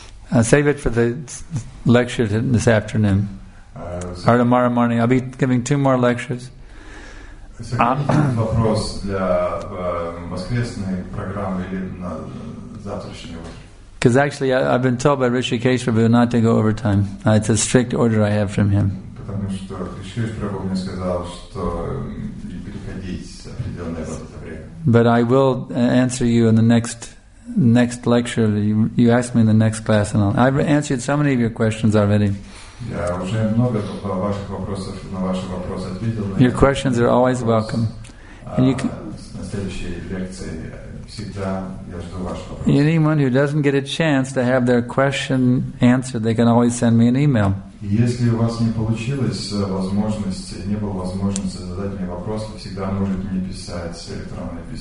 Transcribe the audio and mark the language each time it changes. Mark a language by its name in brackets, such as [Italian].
[English] I'll save it for the lecture this afternoon. Or tomorrow morning. I'll be giving two more lectures. [Russian] Вопрос для воскресной программы или на завтрашнего? [English] Because actually, I've been told by Hrishikesh Prabhu not to go overtime. It's a strict order I have from him. [Russian] Потому что Hrishikesh Prabhu мне сказал, что не переходить определенное время. [English] But I will answer you in the next lecture. You ask me in the next class, and I've answered so many of your questions already. [Russian] Я уже много ваших вопросов на ваши вопросы ответил. [English] Your questions are always welcome. And you can, [Russian] на следующей лекции всегда я жду ваших вопросов. [English] Anyone who doesn't get a chance to have their question answered, they can always send me an email. [Russian] Если у вас не получилось возможности, не было возможности задать мне вопрос, всегда можете мне писать электронное письмо.